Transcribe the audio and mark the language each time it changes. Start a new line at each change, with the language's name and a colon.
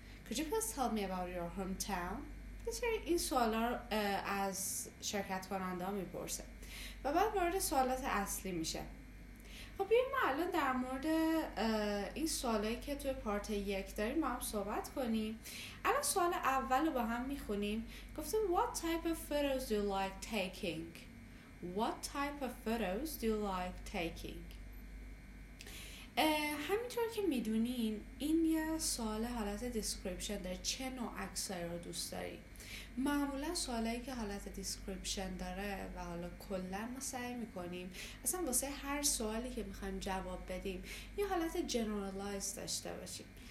English: Could you please tell me about your hometown?
Persian: یه سری این سوال ها از شرکت کننده ها میپرسه و بعد وارد سوالات اصلی میشه. خب بیاییم ما الان در مورد این سوالایی که توی پارت یک داریم با هم صحبت کنیم. الان سوال اول رو با هم میخونیم. گفتیم
English: What type of photos do you like taking? What type of photos do you like taking?
Persian: همینطور که میدونین این یه سوال حالت description داره، چه نوع عکسایی رو دوست داری؟ معمولا سوالایی که حالت دیسکریپشن داره و حالا کلا ما سعی میکنیم اصلا واسه هر سوالی که میخوایم جواب بدیم یه حالت جنرالایز داشته باشیم.